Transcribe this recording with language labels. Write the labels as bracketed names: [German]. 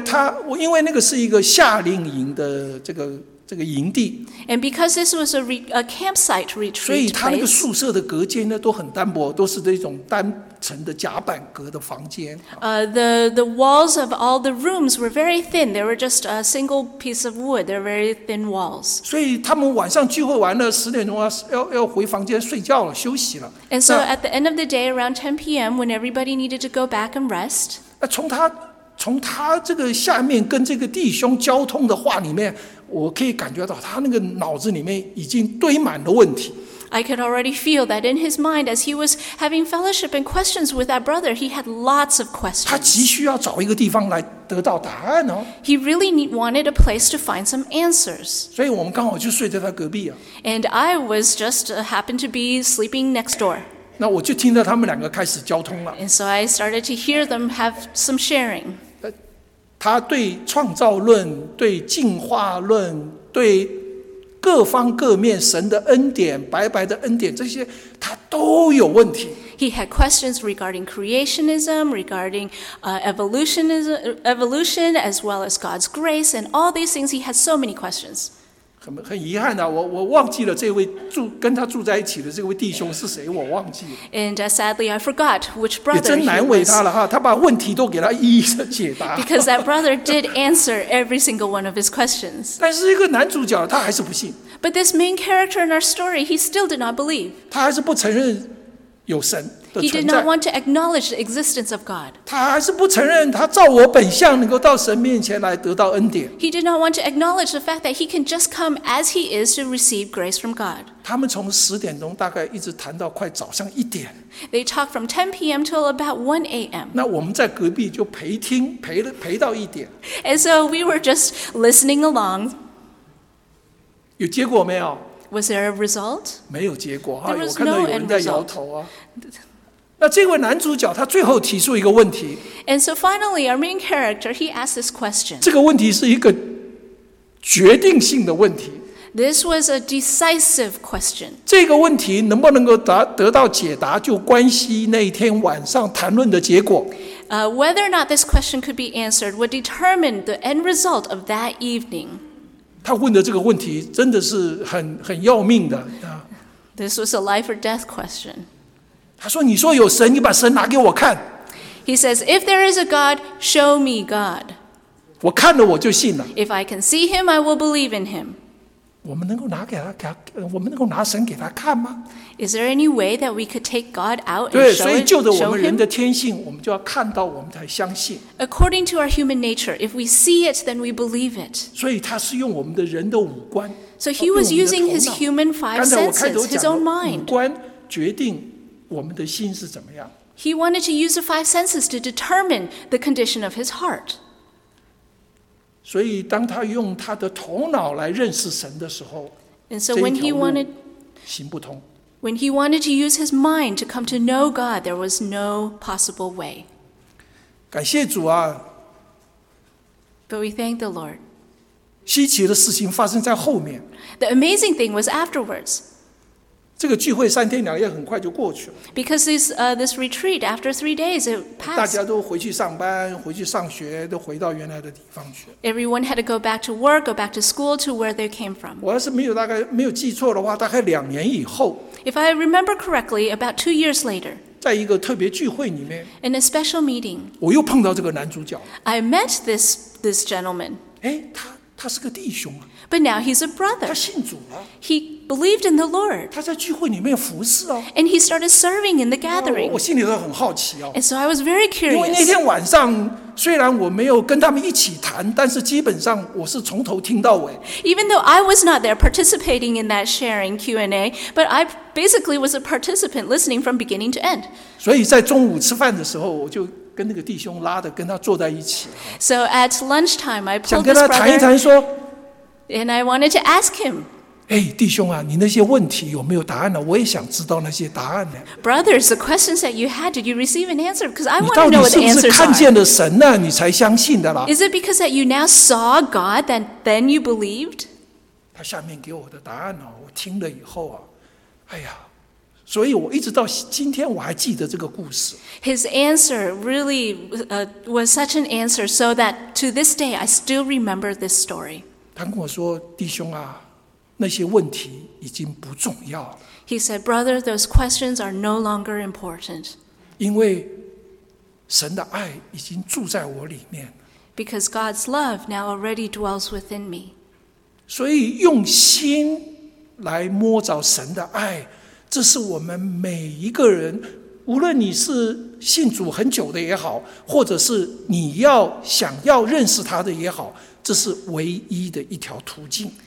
[Chinese] 他因为那个是一个夏令营的这个营地 [English] ，and because this was a campsite retreat， [Chinese] 所以他那个宿舍的隔间呢都很单薄，都是这种单层的夹板隔的房间。 [English] The walls of all the rooms were very thin. They were just a single piece of wood. They're very thin walls. [Chinese] 所以他们晚上聚会完了，十点钟要回房间睡觉了，休息了。 [English] And so at the end of the day, around 10 p.m., when everybody needed to go back and rest， [Chinese] 从他这个下面跟这个弟兄交通的话里面。我可以感觉到他那个脑子里面已经堆满了问题。 [English] I could already feel that in his mind, as he was having fellowship and questions with that brother, he had lots of questions. [Chinese] 他急需要找一个地方来得到答案哦。 [English] He really wanted a place to find some answers. [Chinese] 所以我们刚好就睡在他隔壁啊。 [English] And I was just happened to be sleeping next door. [Chinese] 那我就听到他们两个开始交通了。 [English] And so I started to hear them have some sharing. [Chinese] 他对创造论、对进化论、对各方各面神的恩典、白白的恩典，这些他都有问题。 [English] He had questions regarding creationism, regarding evolution, as well as God's grace, and all these things. He had so many questions. [Chinese] 很遗憾啊，我忘记了这位住跟他住在一起的这位弟兄是谁，我忘记了。 [English] And sadly, I forgot which brother. [Chinese] 也真难为他了哈，他把问题都给他一一解答。 [English] Because that brother did answer every single one of his questions. [Chinese] 但是一个男主角他还是不信。 [English] But this main character in our story, he still did not believe. [Chinese] 他还是不承认有神。 [English] He did not want to acknowledge the existence of God. [Chinese] 他还是不承认他照我本相能够到神面前来得到恩典。 [English] He did not want to acknowledge the fact that he can just come as he is to receive grace from God. [Chinese] 他们从十点钟大概一直谈到快早上一点。 [English] They talked from 10 p.m. till about 1 a.m. [Chinese] 那我们在隔壁就陪听，陪到一点。 [English] And so we were just listening along. [Chinese] 有结果没有？ [English] Was there a result? [Chinese] 没有结果。 [English] There was no end [Chinese] 我看到有人在摇头啊。那这位男主角他最后提出一个问题。 [English] And so finally, our main character, he asked this question. [Chinese] 这个问题是一个决定性的问题。 [English] This was a decisive question. [Chinese] 这个问题能不能够得到解答，就关系那天晚上谈论的结果。 [English] Whether or not this question could be answered would determine the end result of that evening. [Chinese] 他问的这个问题真的是很要命的。 [English] This was a life or death question. [Chinese] 他说：“你说有神，你把神拿给我看。” [English] He says, "If there is a God, show me God." [Chinese] 我看了我就信了。 [English] If I can see him, I will believe in him. [Chinese] 我们能够拿给他，我们能够拿神给他看吗？ [English] Is there any way that we could take God out and [Chinese] 对，所以就着我们人的天性，我们就要看到，我们才相信。 [English] According to our human nature, if we see it, then we believe it. [Chinese] 所以他是用我们的人的五官。 [English] So he was using his human five senses, his own mind. [Chinese] 五官决定。我们的心是怎么样？ [English] He wanted to use the five senses to determine the condition of his heart. [Chinese] 所以当他用他的头脑来认识神的时候， [English] And so when he wanted, [Chinese] 行不通。 [English] When he wanted to use his mind to come to know God, there was no possible way. [Chinese] 感谢主啊。 [English] But we thank the Lord. [Chinese] 稀奇的事情发生在后面。 [English] The amazing thing was afterwards. [Chinese] 这个聚会三天两夜很快就过去了。 [English] Because this retreat after 3 days it passed. [Chinese] 大家都回去上班，回去上学，都回到原来的地方去。 [English] Everyone had to go back to work, go back to school to where they came from. [Chinese] 我要是没有记错的话，大概两年以后。 [English] If I remember correctly, about 2 years later. [Chinese] 在一个特别聚会里面。 [English] In a special meeting. [Chinese] 我又碰到这个男主角。 [English] I met this gentleman. [Chinese] 哎，他是个弟兄啊。 [English] But now he's a brother. [Chinese] 他信主了。 [English] He believed in the Lord. [Chinese] 他在聚会里面服侍啊。 [English] And he started serving in the gathering. [Chinese] 我心里都很好奇啊。 [English] And so I was very curious. [Chinese] 因为那天晚上，虽然我没有跟他们一起谈，但是基本上我是从头听到尾。 [English] Even though I was not there participating in that sharing Q&A, but I basically was a participant listening from beginning to end. [Chinese] 所以在中午吃饭的时候，我就跟那个弟兄拉着跟他坐在一起。 [English] So at lunchtime, I pulled this brother. [Chinese] 想跟他谈一谈说。 [English] And I wanted to ask him. [Chinese] 哎，弟兄啊，你那些问题有没有答案呢？我也想知道那些答案呢。 [English] Brothers, the questions that you had, did you receive an answer? Because I want to know what the answers are. [Chinese] 你到底是不是看见了神呢、啊？你才相信的啦。 [English] Is it because that you now saw God that then you believed? [Chinese] 他下面给我的答案呢、啊？我听了以后啊，哎呀，所以我一直到今天我还记得这个故事。 [English] His answer really was such an answer, so that to this day I still remember this story. [Chinese] 他跟我说，弟兄啊。那些问题已经不重要了。 [English] He said, "Brother, those questions are no longer important." [Chinese] 因为神的爱已经住在我里面。 [English] Because God's love now already dwells within me. [Chinese] 所以用心来摸着神的爱，这是我们每一个人，无论你是信主很久的也好，或者是你要想要认识他的也好，这是唯一的一条途径。